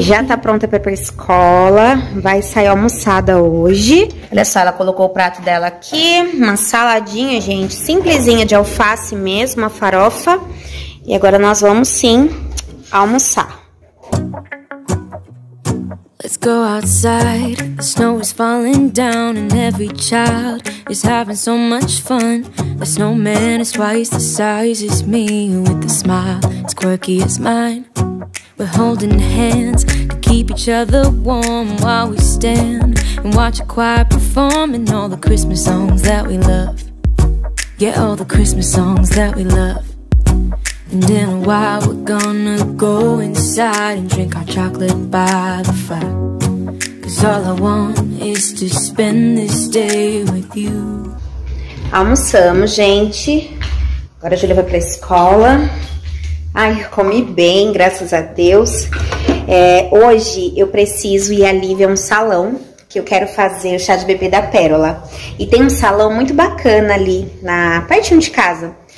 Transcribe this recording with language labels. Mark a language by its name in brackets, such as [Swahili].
[Portuguese] Já tá pronta pra ir pra escola, vai sair almoçada hoje. Olha só, ela colocou o prato dela aqui. Uma saladinha, gente, simplesinha de alface mesmo, uma farofa. E agora nós vamos sim almoçar. [English] Let's go outside. The snow is falling down and every child is having so much fun. The snowman is twice the size as me with a smile as quirky as mine. We're holding hands to keep each other warm while we stand and watch a choir perform and all the Christmas songs that we love. Yeah, all the Christmas songs that we love. And in a while we're gonna go inside and drink our chocolate by the fire. Cause all I want is to spend this day with you. [Portuguese] Almoçamos, gente. Agora a Júlia vai pra escola. Ai, eu comi bem, graças a Deus. Hoje eu preciso ir ali ver um salão. Que eu quero fazer o chá de bebê da Pérola. E tem um salão muito bacana ali, na pertinho de casa.